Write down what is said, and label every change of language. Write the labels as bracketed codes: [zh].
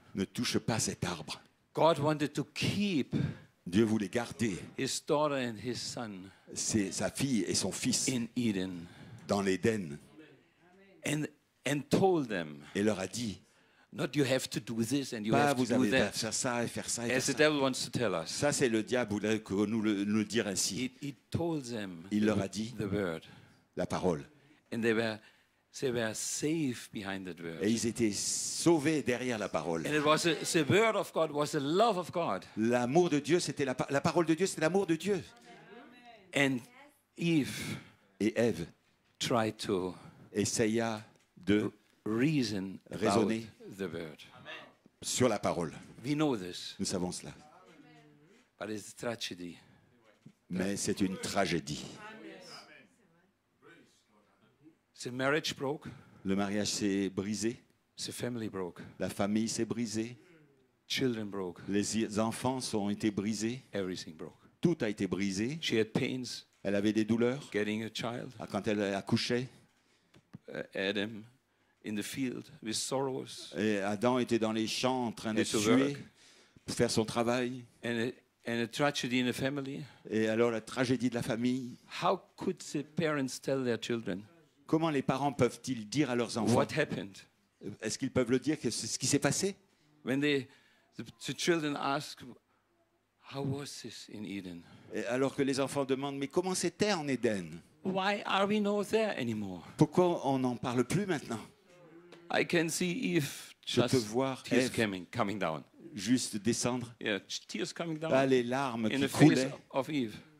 [fr] Ne touche pas cet arbre. [en] God wanted to keep. [fr] Dieu voulait garder. [en] His daughter and his son. [fr] C'est sa fille et son fils. [en] In Eden. [fr] Dans l'Éden. [en] And told them. [fr] Et leur a dit. [en] Not you have to do this and you have to do that. [fr] Pas vous avez à faire ça et faire ça. [en] As the devil wants to tell us. [fr] Ça c'est le diable voulait que nous le dire ainsi. [en] He told them. [fr] Il leur a dit. [en] The word. [fr] La parole. [en] And they were safe behind that word. [fr] Et ils étaient sauvés derrière la parole. [en] And it was the word of God was the love of God. [fr] L'amour de Dieu c'était la parole de Dieu c'était l'amour de Dieu. [en] And Eve. [fr] Et Eve. [en] Tried to. [fr] Essaya de. [en] Reason [fr] raisonner [en] about the word. [fr] Sur la parole. [en] We know this. [fr] Nous savons cela. [en] But it's a tragedy. [fr] Mais c'est une tragédie. [en] The marriage broke. [fr] Le mariage s'est brisé. [en] The family broke. [fr] La famille s'est brisée. [en] Children broke. [fr] Les enfants ont été brisés. [en] Everything broke. [fr] Tout a été brisé. [en] She had pains. [fr] Elle avait des douleurs. [en] Getting a child. [fr] Quand elle accouchait. [en] Adam. In the field with sorrows. [fr] Et Adam était dans les champs en train de tuer pour faire son travail. [en] And a tragedy in the family. [fr] Et alors la tragédie de la famille. [en] How could the parents tell their children? [fr] Comment les parents peuvent-ils dire à leurs enfants? [en] What happened? [fr] Est-ce qu'ils peuvent le dire que c'est ce qui s'est passé? [en] When the children ask, how was this in Eden? [fr] Et alors que les enfants demandent, mais comment c'était en Éden? [en] Why are we not there anymore? [fr] Pourquoi on n'en parle plus maintenant? [en] I can see Eve just [fr] Je peux voir [en] tears coming down. [fr] Juste descendre. [en] Yeah, tears coming down. [fr] Bah, les larmes [en] in [fr] qui [en] the [fr] coulaient [en] face of Eve.